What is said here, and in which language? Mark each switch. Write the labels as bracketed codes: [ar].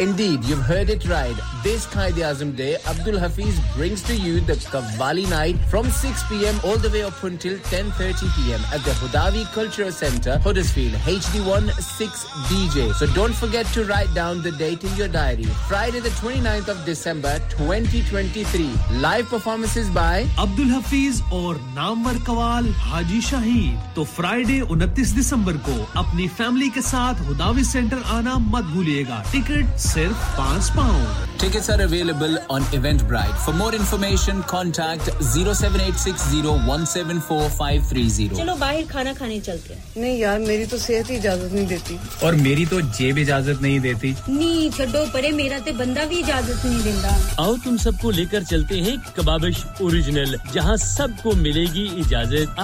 [en] indeed you have heard it right this Quaid-e-Azam day Abdul Hafeez brings to you the qawwali night from 6 PM all the way up until 10:30 PM at the Hudawi cultural centre Huddersfield HD1 6DJ so don't forget to write down the date in your diary Friday the 29th of December 2023 live performances by [hi] Abdul Hafeez और नामवर कवाल हाजी शाहीन तो Friday 29 दिसंबर को अपनी family के साथ हुदावी centre आना मत भूलिएगा ticket सिर्फ £5 [en] Tickets are available on Eventbrite. For more information, contact 07860174530. [hi] चलो बाहर खाना खाने चलते हैं। नहीं यार, मेरी तो सेहत ही इजाजत नहीं देती। और मेरी तो जेब इजाजत नहीं देती। नहीं छोड़ो परे, मेरा तो बंदा भी इजाजत नहीं देता। आओ तुम सबको लेकर चलते हैं कबाबिश ओरिजिनल, जहां सबको मिलेगी इजाजत।